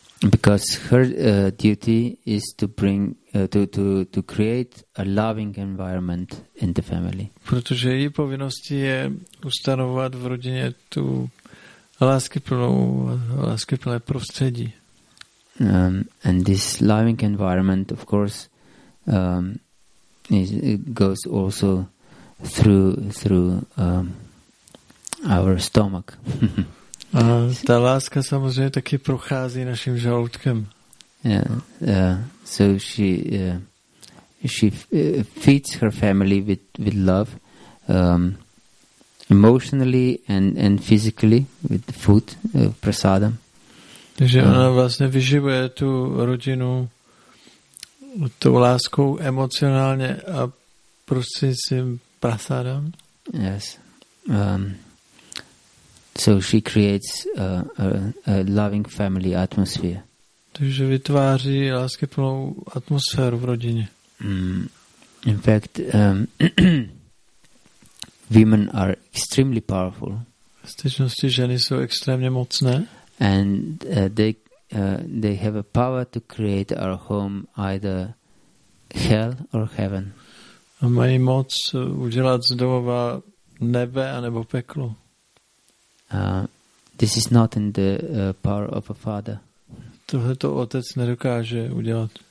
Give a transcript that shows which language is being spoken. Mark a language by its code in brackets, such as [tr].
[en] Because her duty is to bring to create a loving environment in the family. [cs] Protože její povinností je ustanovovat v rodině tu láskyplné prostředí. [en] And this loving environment, of course, is, it goes also through our stomach. [cs] A ta láska samozřejmě taky prochází naším žaludkem. [en] Yeah. So she feeds her family with love, emotionally and physically with the food, prasadam. [cs] Takže ona vlastně vyživuje tu rodinu tou láskou emocionálně a prostřednictvím prasadam. [en] Yes. So she creates a loving family atmosphere. [cs] Takže vytváří láskyplnou atmosféru v rodině. [en] In fact, women are extremely powerful. [cs] V skutečnosti ženy jsou extrémně mocné. [en] And they have a power to create our home either hell or heaven. [cs] A mají moc udělat z domova nebe anebo peklo. [en] This is not in the power of a father. [cs] Tohle to otec nedokáže udělat.